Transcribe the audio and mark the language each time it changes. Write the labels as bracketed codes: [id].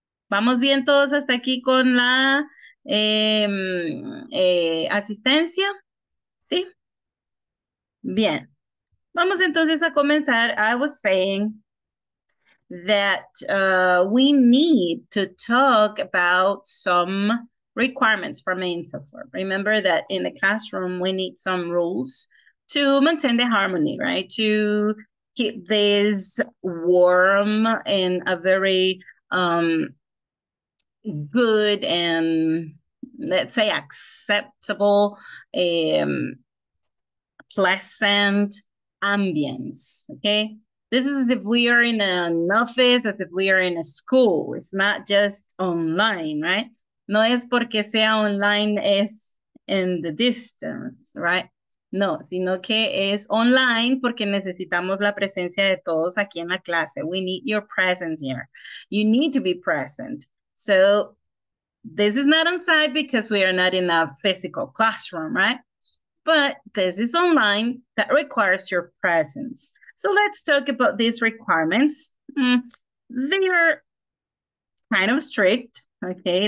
[es] Vamos bien todos hasta aquí con la asistencia, ¿sí? Bien. Vamos entonces a comenzar. [en] I was saying that we need to talk about some requirements for main software. Remember that in the classroom we need some rules to maintain the harmony, right? To keep this warm and a very good and, let's say, acceptable, pleasant ambience, okay? This is as if we are in an office, as if we are in a school. It's not just online, right? [es] No es porque sea online, es [en] in the distance, right? [es] No, sino que es online porque necesitamos la presencia de todos aquí en la clase. [en] We need your presence here. You need to be present. So this is not on site because we are not in a physical classroom, right? But this is online that requires your presence. So let's talk about these requirements. They are kind of strict, okay?